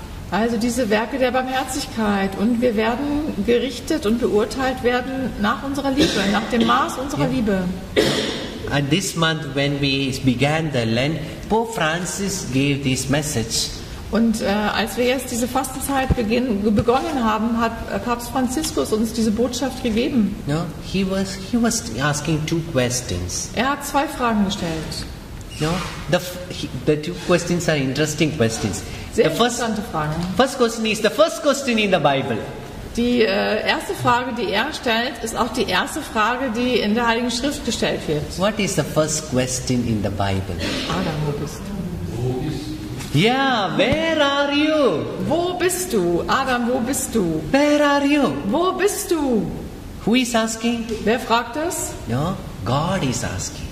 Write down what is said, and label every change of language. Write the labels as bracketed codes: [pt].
[de] Also diese Werke der Barmherzigkeit und wir werden gerichtet und beurteilt werden nach unserer Liebe, nach dem Maß unserer yeah. Liebe. [en] And this month when we began the Lent, Pope Francis gave this message. [de] Und als wir jetzt diese Fastenzeit begonnen haben, hat Papst Franziskus uns diese Botschaft gegeben. [en] No, he was asking 2 questions. [de] Er hat 2 Fragen gestellt. [en] No, the 2 questions are interesting questions. [de] Sehr interessante Fragen. [en] First question is the first question in the Bible. [de] Die erste Frage, die er stellt, ist auch die erste Frage, die in der Heiligen Schrift gestellt wird. [en] What is the first question in the Bible? [de] Adam, wo bist du? [en] Ja, where are you? [de] Wo bist du? Adam, wo bist du? [en] Where are you? [de] Wo bist du? [en] Who is asking? [de] Wer fragt das? [en] No, God is asking.